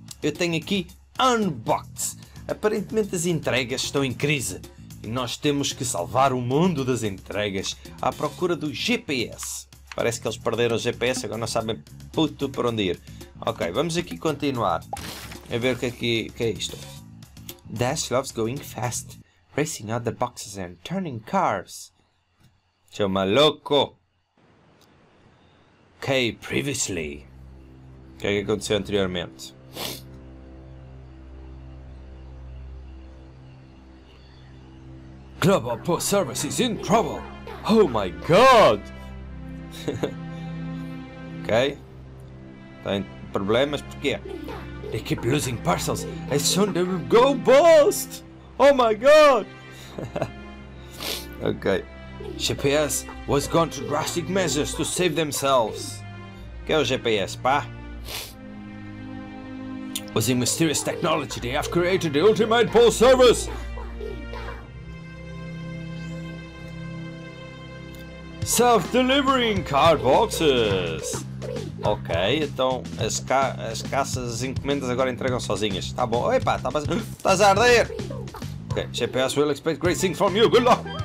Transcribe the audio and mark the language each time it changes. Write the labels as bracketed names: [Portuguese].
[Portuguese] Eu tenho aqui Unbox. Aparentemente as entregas estão em crise. E nós temos que salvar o mundo das entregas à procura do GPS. Parece que eles perderam o GPS, agora não sabem puto por onde ir. Ok, vamos aqui continuar. A ver o que aqui, que é isto. [English] Dash loves going fast, racing other boxes and turning cars. [Portuguese] Seu maluco! Ok, previously. O que é que aconteceu anteriormente? [English] Global Post Service is in trouble! Oh my god! [Portuguese] Ok. Tem problemas, porquê? [English] They keep losing parcels and soon they will go bust! Oh my god! Ok. GPS was gone to drastic measures to save themselves. [Portuguese] Que é o GPS, pá? [English] Using mysterious technology, they have created the ultimate post service! Self-delivering card boxes! [Portuguese] Ok, então as caças, as encomendas agora entregam sozinhas. Tá bom. Epá, estás a arder! [English] Ok, GPS will expect great things from you. Good luck!